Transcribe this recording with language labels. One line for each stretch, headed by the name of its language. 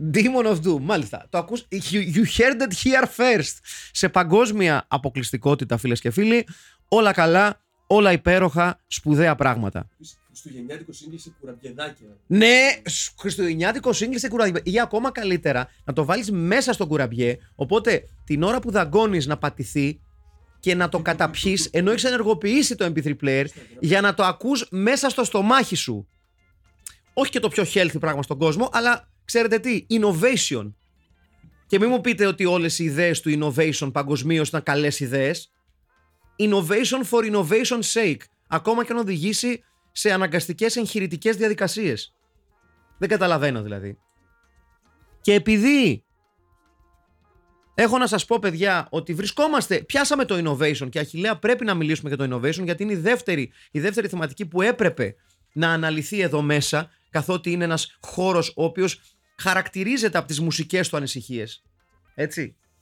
Greek: Demon of Doom, μάλιστα. Το ακούς,
English: you heard it here first.
Greek: Σε παγκόσμια αποκλειστικότητα, φίλες και φίλοι. Όλα καλά, όλα υπέροχα, σπουδαία πράγματα. Χριστουγεννιάτικο σύγκλισε κουραμπιεδάκια. Ναι, Χριστουγεννιάτικο σύγκλισε κουραμπιεδάκια. Ή ακόμα καλύτερα, να το βάλεις μέσα στον κουραμπιέ. Οπότε την ώρα που δαγκώνεις να πατηθεί και να το καταπιείς, ενώ έχεις ενεργοποιήσει το MP3 player, για να το ακούς μέσα στο στομάχι σου. Όχι και το πιο healthy πράγμα στον κόσμο, αλλά ξέρετε τι, innovation. Και μην μου πείτε ότι όλες οι ιδέες του innovation παγκοσμίως ήταν καλές ιδέες.
English: Innovation for innovation's sake.
Greek: Ακόμα και αν οδηγήσει σε αναγκαστικές εγχειρητικές διαδικασίες. Δεν καταλαβαίνω δηλαδή. Και επειδή έχω να σας πω παιδιά ότι βρισκόμαστε, πιάσαμε το innovation και Αχιλλέα πρέπει να μιλήσουμε για το innovation, γιατί είναι η δεύτερη θεματική που έπρεπε να αναλυθεί εδώ μέσα, καθότι είναι ένας χώρος ο οποίος χαρακτηρίζεται από τις μουσικές του ανησυχίες. Έτσι.